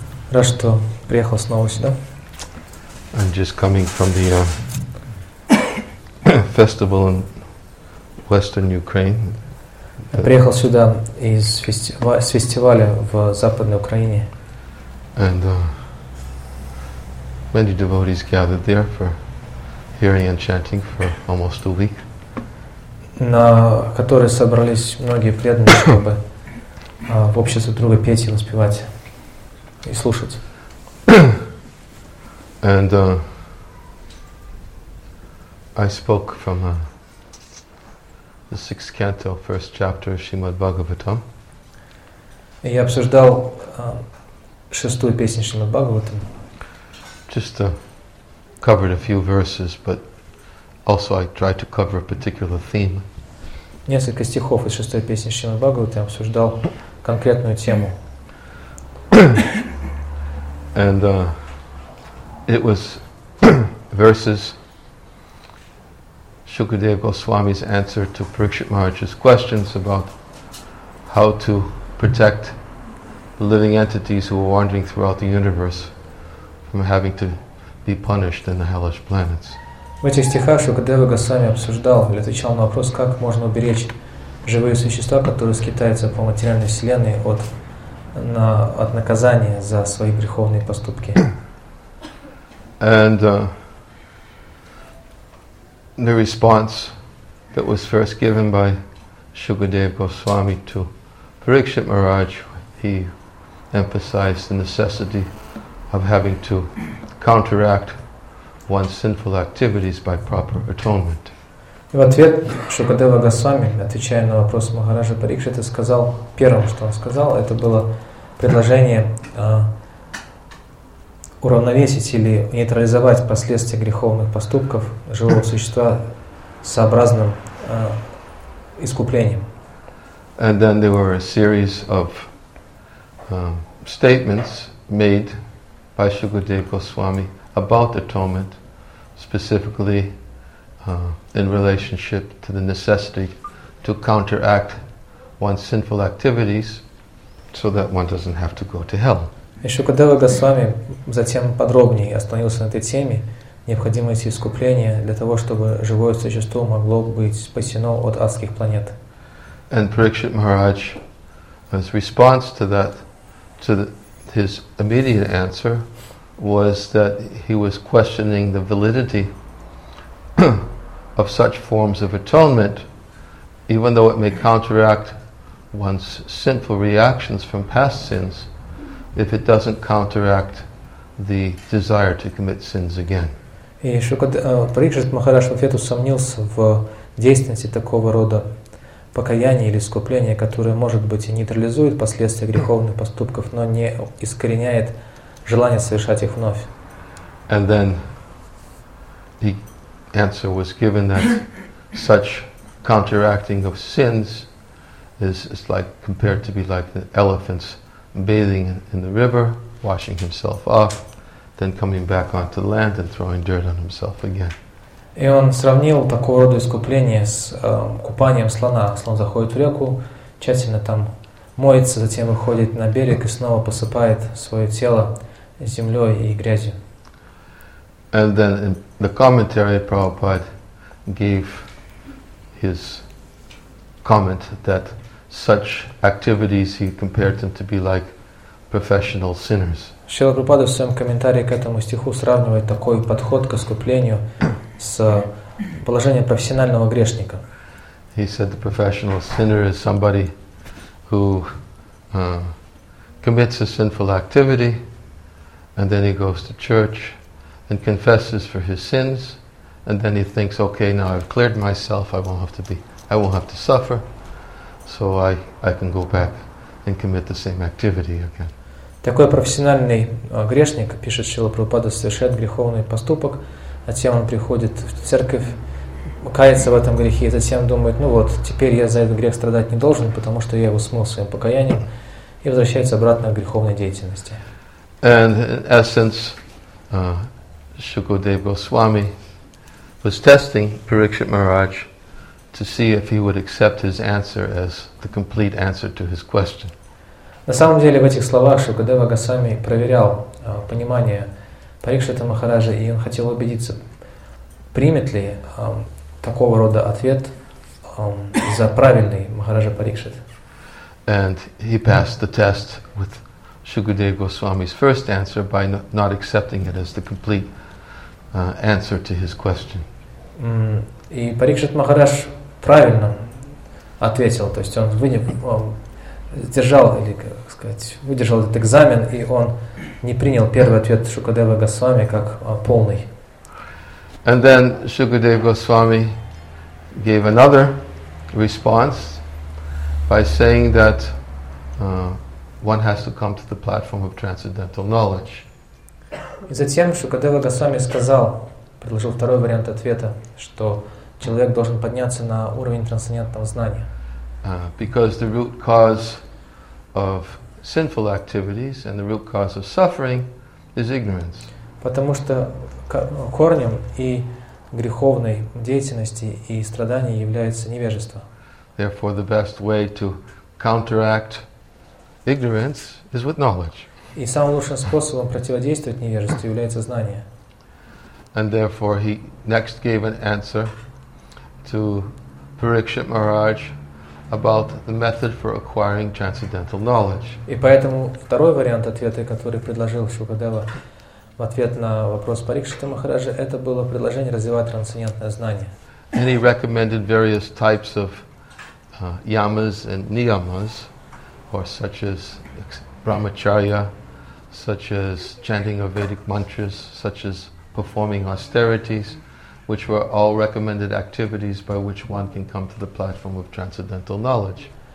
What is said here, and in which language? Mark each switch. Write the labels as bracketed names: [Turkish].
[Russian] Рад, что приехал снова сюда. [English] I'm just coming from the festival in Western Ukraine. [Russian] Я приехал сюда из фестиваля в Западной Украине. [English] And many devotees gathered there for hearing and chanting for almost a week. [Russian] На которые собрались многие преданные, чтобы в обществе друга петь и воспевать и слушать. [English] And I spoke from the sixth canto, first chapter of Shrimad Bhagavatam. [Russian] И я обсуждал шестую песню Шримад Бхагаватам. [English] Just covered a few verses, but also I tried to cover a particular theme. [Russian] Несколько стихов из шестой песни Шримад Бхагаватам обсуждал конкретную тему. [English] And it was verses Shukadeva Goswami's answer to Parikshit Maharaj's questions about how to protect the living entities who are wandering throughout the universe from having to be punished in the hellish planets. [Russian] В этих стихах Шукадева Госвами обсуждал или отвечал на вопрос, как можно уберечь живые существа, которые скитаются по материальной вселенной от наказания за свои греховные поступки. [English] And the response that was first given by Shukadeva Goswami to Parikshit Maharaj, he emphasized the necessity of having to counteract one's sinful activities by proper atonement. [Russian] В ответ Шукадева Госвами, отвечая на вопрос Махараджа Парикшита, сказал, первым, что он сказал, это было предложение уравновесить или нейтрализовать последствия греховных поступков живого существа сообразным искуплением. [English] And then there were a series of statements made by Shukadeva Goswami about atonement, specifically in relationship to the necessity to counteract one's sinful activities so that one doesn't have to go to hell. [Russian] И Шукадева Госвами затем подробнее остановился на этой теме, необходимости искупления для того, чтобы живое существо могло быть спасено от адских планет. [English] And Parikshit Maharaj, his response to that, his immediate answer, was that he was questioning the validity of such forms of atonement, even though it may counteract one's sinful reactions from past sins, if it doesn't counteract the desire to commit sins again. [Russian] И Парикшит Махарадж в ответ усомнился в действенности такого рода покаяния или искупления, которое, может быть, и нейтрализует последствия греховных поступков, но не искореняет желание совершать их вновь. [English] And then the answer was given that such counteracting of sins is like compared to be like the elephant's bathing in the river, washing himself off, then coming back onto the land and throwing dirt on himself again. [Russian] И он сравнил такого рода искупление с купанием слона. Слон заходит в реку, тщательно там моется, затем выходит на берег и снова посыпает свое тело землей и грязью. [English] And then in the commentary Prabhupada gave his comment that such activities he compared them to be like professional sinners. [Russian] Шрила Прабхупада в своем комментарии к этому стиху сравнивает такой подход к искуплению с положением профессионального грешника. [English] He said the professional sinner is somebody who commits a sinful activity and then he goes to church and confesses for his sins and then he thinks, okay, now I've cleared myself, I won't have to suffer, so I can go back and commit the same activity again. [Russian] Такой профессиональный грешник, пишет Шрила Прабхупада, совершает греховный поступок, затем он приходит в церковь, кается в этом грехе, и затем думает, ну вот, теперь я за этот грех страдать не должен, потому что я его смыл своим покаянием, и возвращается обратно к греховной деятельности. [English] And in essence, Shukadeva Goswami was testing Parikshit Maharaj to see if he would accept his answer as the complete answer to his question. [Russian] На самом деле, в этих словах Шукадева Госвами проверял понимание Парикшита Махараджа, и он хотел убедиться, примет ли такого рода ответ за правильный Махараджа Парикшит. [English] And he passed the test with Shukadeva Goswami's first answer by not accepting it as the complete answer to his question. [Russian] И Парикшит Махарадж правильно ответил, то есть он выдержал этот экзамен, и он не принял первый ответ Шукадева Госвами как полный. [English] And then Shukadeva Goswami gave another response by saying that one has to come to the platform of transcendental knowledge. [Russian] И затем Шукадева Госвами сказал, предложил второй вариант ответа, что человек должен подняться на уровень трансцендентного знания. [English] Because the root cause of sinful activities and the root cause of suffering is ignorance. [Russian] Потому что корнем и греховной деятельности и страданий является невежество. [English] Therefore, the best way to counteract ignorance is with knowledge. [Russian] И самым лучшим способом противодействовать невежеству является знание. [English] And therefore, he next gave an answer to Parikshit Maharaj about the method for acquiring transcendental knowledge. [Russian] И поэтому второй вариант ответа, который предложил Шукадева в ответ на вопрос Парикшита Махараджа, это было предложение развивать трансцендентное знание. [English] And he recommended various types of yamas and niyamas, or such as brahmacharya, such as chanting of Vedic mantras, such as performing austerities, which were all recommended activities by which one can come to the platform of transcendental knowledge.